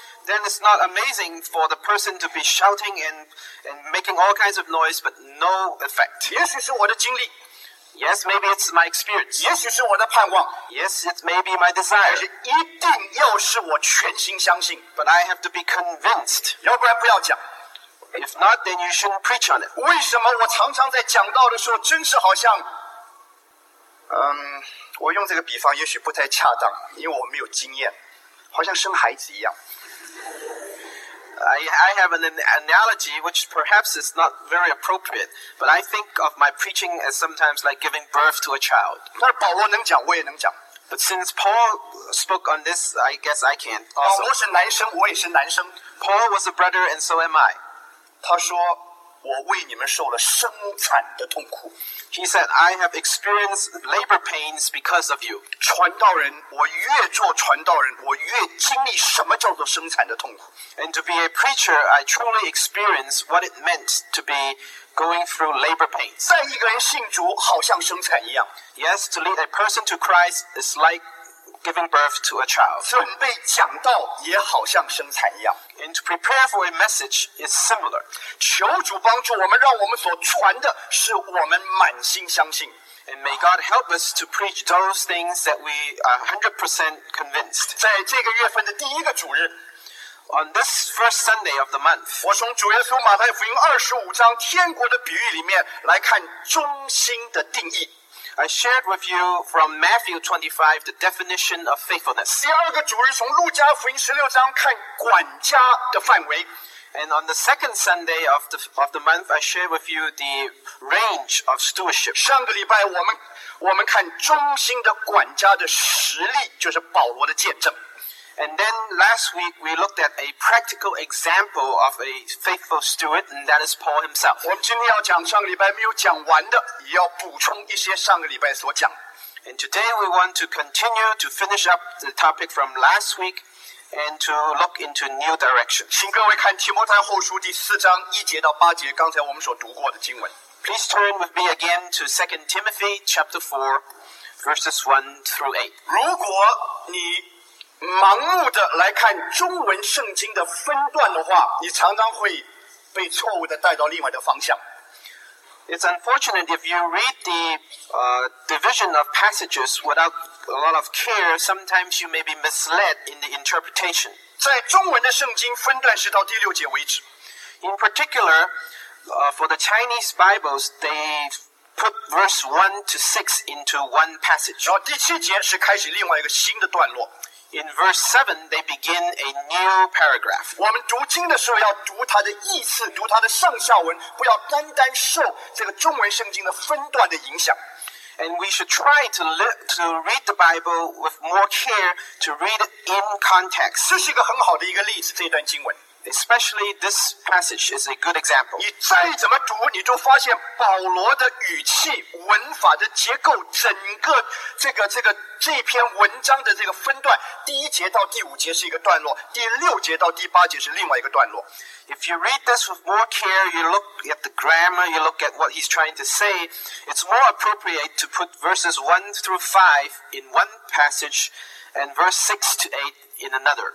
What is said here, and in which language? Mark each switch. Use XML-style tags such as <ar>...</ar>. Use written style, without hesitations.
<en>Then it's not amazing for the person to be shouting and making all kinds of noise, but no effect.</en> <zh>也许是我的经历。</zh> <en>Yes, maybe it's my experience.</en> <zh>也许是我的盼望。</zh> <en>Yes, it may be my desire.</en> <zh>但是一定要是我全心相信。</zh> <en>But I have to be convinced.</en> <zh>要不然不要讲。</zh> <en>If not, then you shouldn't preach on it.</en> <zh>为什么我常常在讲道的时候，真是好像？我用这个比方也许不太恰当，因为我没有经验，好像生孩子一样。</zh> <en>I have an analogy which perhaps is not very appropriate, but I think of my preaching as sometimes like giving birth to a child.</en> <zh>但是保罗能讲，我也能讲。</zh> <en>But since Paul spoke on this, I guess I can also.</en> <zh>保罗是男生，我也是男生。</zh> <en>Paul was a brother, and so am I.</en> <zh>他说。我为你们受了生产的痛苦。</zh> <en>He said, I have experienced labor pains because of you.</en> <zh>传道人，我越做传道人，我越经历什么叫做生产的痛苦。</zh> <en>And to be a preacher, I truly experience what it meant to be going through labor pains.</en> <zh>带一个人信主好像生产一样。</zh> <en>Yes, to lead a person to Christ is like giving birth to a child.</en> <zh>准备讲道也好像生产一样。</zh> <en>And to prepare for a message is similar.</en> <zh>求主帮助我们，让我们所传的是我们满心相信。</zh> <en>And may God help us to preach those things that we are 100% convinced.</en> <zh>在这个月份的第一个主日。</zh> <en>On this first Sunday of the month.</en> <zh>我从主耶稣马太福音25章天国的比喻里面来看忠心的定义。</zh> <en>I shared with you from Matthew 25 the definition of faithfulness.</en> <zh>第二个主日从路加福音16章看管家的范围。</zh> <en>And on the second Sunday of the month, I shared with you the range of stewardship.</en> <zh>上个礼拜我们看忠心的管家的实例，就是保罗的见证。</zh> <en>And then last week we looked at a practical example of a faithful steward, and that is Paul himself.</en> <zh>我们今天要讲上个礼拜没有讲完的，也要补充一些上个礼拜所讲。</zh> <en>And today we want to continue to finish up the topic from last week and to look into new directions.</en> <zh>请各位看提摩太后书第4章1节到8节，刚才我们所读过的经文。</zh> <en>Please turn with me again to 2 Timothy chapter 4, verses 1-8.</en> <zh>如果你盲目的来看中文圣经的分段的话，你常常会被错误的带到另外的方向。</zh> <en>It's unfortunate if you read the division of passages without a lot of care. Sometimes you may be misled in the interpretation.</en> <zh>在中文的圣经分段是到第6节为止。</zh> <en>In particular, for the Chinese Bibles, they put verse 1 to 6 into one passage.</en> <zh>然后第七节是开始另外一个新的段落。</zh> <en>In verse 7, they begin a new paragraph.</en> <zh>我们读经的时候要读它的意思，读它的上下文，不要单单受这个中文圣经的分段的影响。</zh> <en>And we should try to read the Bible with more care, to read it in context.</en> <zh>这是一个很好的一个例子，这段经文。</zh> <en>Especially this passage is a good example.</en> <zh>你再怎么读，你就发现保罗的语气、文法的结构，整个这篇文章的这个分段，第一节到第五节是一个段落，第六节到第八节是另外一个段落。</zh> <en>If you read this with more care, you look at the grammar, you look at what he's trying to say, it's more appropriate to put verses 1 through 5 in one passage and verse 6 to 8 in another.</en>